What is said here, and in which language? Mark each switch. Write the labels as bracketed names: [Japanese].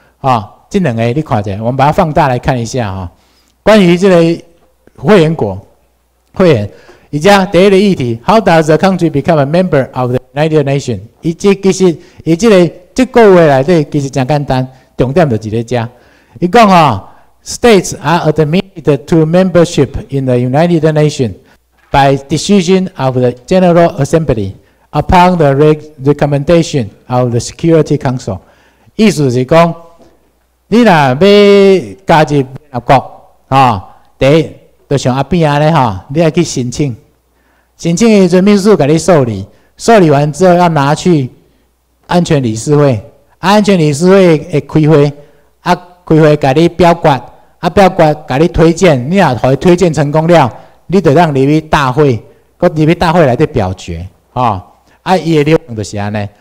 [Chinese] 啊、哦，这两个你看一下，我们把它放大来看一下哈、哦。关于这个会员国，会员，以及第一个议题 ， [English] How does a country become a member of the United Nations？ [Chinese] 以及其实，以及嘞，这个未来的其实真简单，重点就是这家。 [English] 一共啊 ，States are admitted to membership in the United Nations by decision of the General Assembly upon the recommendation of the Security Council。 [Chinese] 意思是讲。你如果要加入联合国、哦、第一就像阿扁这样、哦、你要去申请，申请的时候秘书给你受理，受理完之后要拿去安全理事会、啊、安全理事会会开会、啊、开会给你表决、啊、表决给你推荐，你如果给他推荐成功了，你就让你去大会，再入去大会来的表决、哦啊、他的流程就是这样。